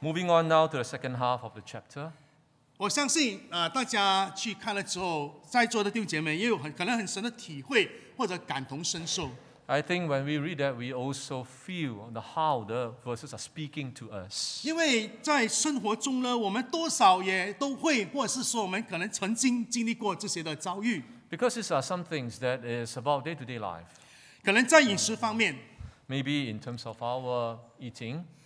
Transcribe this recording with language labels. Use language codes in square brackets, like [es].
[en] Moving on now to the second half of the chapter. [zh] 我相信大家去看了之后，在座的弟兄姐妹也有很可能很深的体会或者感同身受。 [en] I think when we read that, we also feel the how the verses are speaking to us. [zh] 因为在生活中呢，我们多少也都会，或者是说我们可能曾经经历过这些的遭遇。 [en] Because these are some things that is about day-to-day life. [zh] 可能在饮食方面， [en] maybe in terms of our eating，